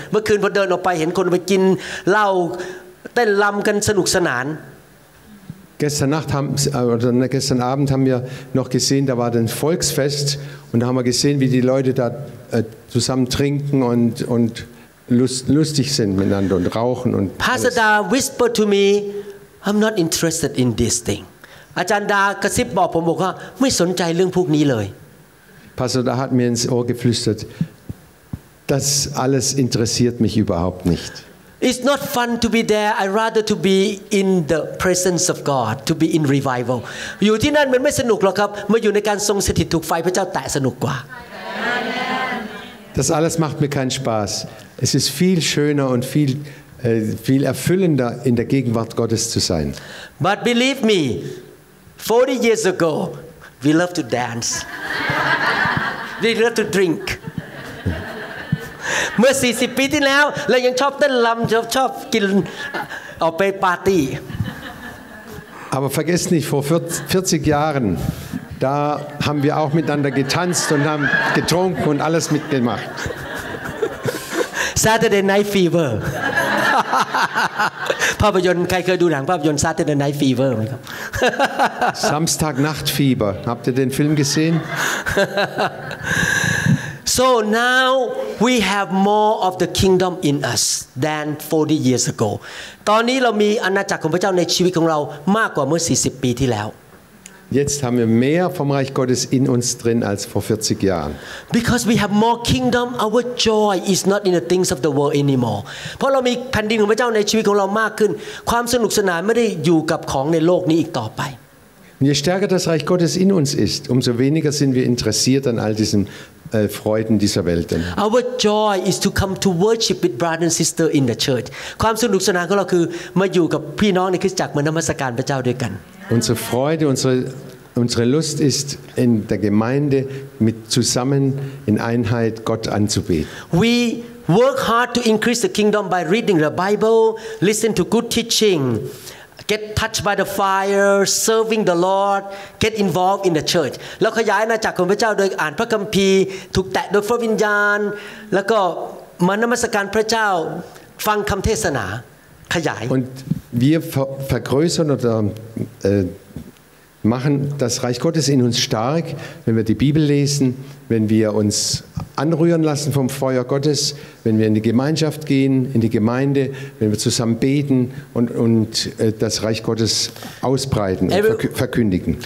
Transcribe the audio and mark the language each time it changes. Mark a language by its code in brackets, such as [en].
[th] เมื่อคืนพอเดินออกไปเห็นคนไปกินเหล้าเต้นรำกันสนุกสนาน [de] Gestern Abend haben wir noch gesehen, da war ein Volksfest und da haben wir gesehen, wie die Leute da zusammen trinken undlustig sind miteinander und rauchen und [en] Pastor Da whispered to me I'm not interested in this thing [th] อาจารย์ดากระซิบบอกผมบอกว่าไม่สนใจเรื่องพวกนี้เลย [de] Pastor Da hat mir ins Ohr geflüstert das alles interessiert mich überhaupt nicht [en] It's not fun to be there I rather to be in the presence of God to be in revival [th] อยู่ที่นั่นมันไม่สนุกหรอกครับมาอยู่ในการทรงสถิตถูกไฟพระเจ้าแตะสนุกกว่า [de] Das alles macht mir keinen SpaßEs ist viel schöner und viel erfüllender in der Gegenwart Gottes zu sein. [en] But believe me, 40 years ago, we loved to dance. We loved to drink. [th] เมื่อ 40 ปีที่แล้วเรายังชอบเต้นรำชอบกินออกไปปาร์ตี้ [de] Aber vergesst nicht, vor 40 Jahren, da haben wir auch miteinander getanzt und haben getrunken und alles mitgemacht. [th] Saturday Night Fever ภาพยนตร์ใครเคยดูหนังภาพยนตร์ Saturday Night Fever มั้ยครับ [de] Samstag Nacht Fieber habt ihr den Film gesehen [en] So now we have more of the kingdom in us than 40 years ago [th] ตอนนี้เรามีอาณาจักรของพระเจ้าในชีวิตของเรามากกว่าเมื่อ40ปีที่แล้ว [de] Jetzt haben wir mehr vom Reich Gottes in uns drin als vor 40 Jahren. [en] Because we have more kingdom, our joy is not in the things of the world anymore. [th] เพราะเรามีแผ่นดินของพระเจ้าในชีวิตของเรามากขึ้นความสนุกสนานไม่ได้อยู่กับของในโลกนี้อีกต่อไป [de] Je stärker das Reich Gottes in uns ist, umso weniger sind wir interessiert an all diesen Freuden dieser Welt. [en] Our joy is to come to worship with brother and sister in the church. [th] ความสนุกสนานของเราคือมาอยู่กับพี่น้องในคริสตจักรมานมัสการพระเจ้าด้วยกัน [de] Unsere Freude, unsere Lust ist, in der Gemeinde mit zusammen in Einheit Gott anzubeten. [en] We work hard to increase the kingdom by reading the Bible, listen to good teaching, get touched by the fire, serving the Lord, get involved in the church. [th] เราขยายอาณาจักรของพระเจ้าโดยอ่านพระคัมภีร์ถูกแตะโดยพระวิญญาณแล้วก็มานมัสการพระเจ้าฟังคำเทศนาขยาย [de] Wir vergrößern oder machen das Reich Gottes in uns stark, wenn wir die Bibel lesen, wenn wir uns anrühren lassen vom Feuer Gottes, wenn wir in die Gemeinschaft gehen, in die Gemeinde, wenn wir zusammen beten und das Reich Gottes ausbreiten und verkündigen.